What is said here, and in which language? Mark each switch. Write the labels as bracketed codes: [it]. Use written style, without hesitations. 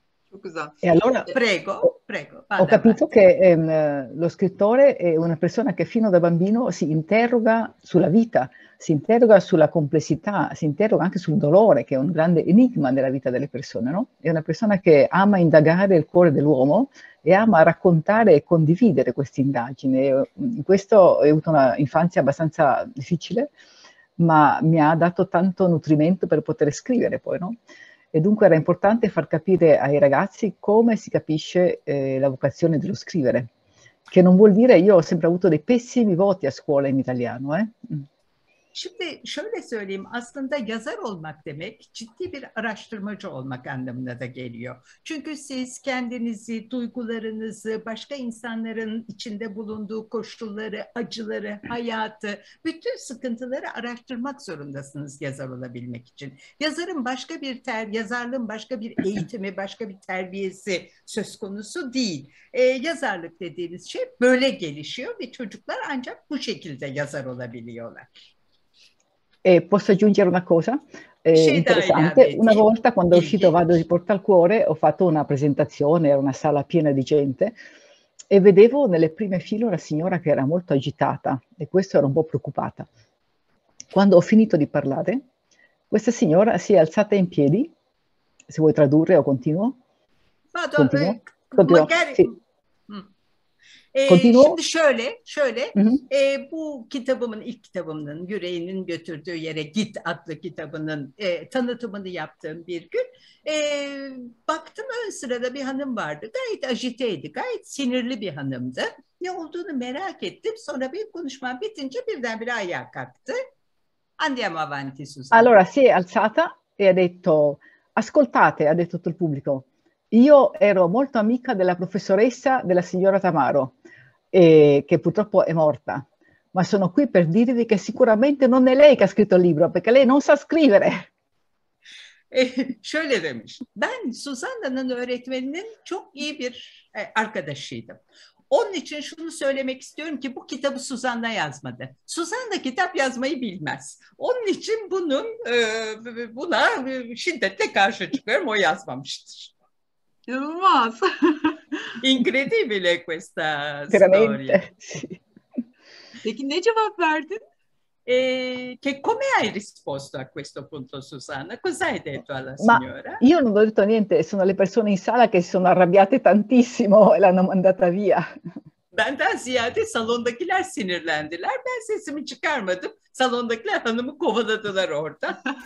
[tr] Çok güzel. [it] E allora, prego, prego. Ho capito che lo scrittore è una persona che fino da bambino si interroga sulla vita, si interroga sulla complessità, si interroga anche sul dolore, che è un grande enigma della vita delle persone, no? È una persona che ama indagare il cuore dell'uomo e ama raccontare e condividere queste indagini. In questo ho avuto un'infanzia abbastanza difficile, ma mi ha dato tanto nutrimento per poter scrivere poi, no? E dunque era importante far capire ai ragazzi come si capisce la vocazione dello scrivere, che non vuol dire, io ho sempre avuto dei pessimi voti a scuola in italiano, [tr] Şimdi şöyle söyleyeyim, aslında yazar olmak demek ciddi bir araştırmacı olmak anlamına da geliyor. Çünkü siz kendinizi, duygularınızı, başka insanların içinde bulunduğu koşulları, acıları, hayatı, bütün sıkıntıları araştırmak zorundasınız yazar olabilmek için. Yazarın başka bir yazarlığın başka bir eğitimi, başka bir terbiyesi söz konusu değil. Yazarlık dediğiniz şey böyle gelişiyor ve çocuklar ancak bu şekilde yazar olabiliyorlar. [it] Posso aggiungere una cosa interessante? Una volta, quando è uscito Vado di Porta al Cuore, ho fatto una presentazione, era una sala piena di gente, e vedevo nelle prime file una signora che era molto agitata, e questo era un po' preoccupata. Quando ho finito di parlare, questa signora si è alzata in piedi, se vuoi tradurre o continuo? Continuo. [tr] Şimdi şöyle bu kitabımın, ilk kitabımın Yüreğinin Götürdüğü Yere Git adlı kitabının tanıtımını yaptığım bir gün baktım ön sırada bir hanım vardı. Gayet ajiteydi, gayet sinirli bir hanımdı. Ne olduğunu merak ettim. Sonra bir konuşma bitince birdenbire ayağa kalktı. [it] Andiamo avanti, Susana. Allora si è alzata e ha detto, ascoltate, ha detto tutto il pubblico. Io ero molto amica della professoressa, della signora Tamaro, che purtroppo è morta, ma sono qui per dirvi che sicuramente non è lei che ha scritto il libro, perché lei non sa scrivere. [tr] Şöyle demiş, ben Susanna'nın öğretmeninin çok iyi bir arkadaşıydım. Onun için şunu söylemek istiyorum ki bu kitabı Susanna yazmadı. Susanna kitap yazmayı bilmez. Onun için buna şiddetle karşı çıkıyorum, o yazmamıştır. İnanılmaz. [it] Incredibile questa storia. [tr] Peki ne cevap verdin? [it] Che come hai risposto a questo punto, Susanna? Cosa hai detto alla signora? Ma io non ho detto niente, sono le persone in sala che si sono arrabbiate tantissimo e l'hanno mandata via. [tr] Benden ziyade salondakiler sinirlendiler. Ben sesimi çıkarmadım. Salondakiler hanımı kovaladılar orada.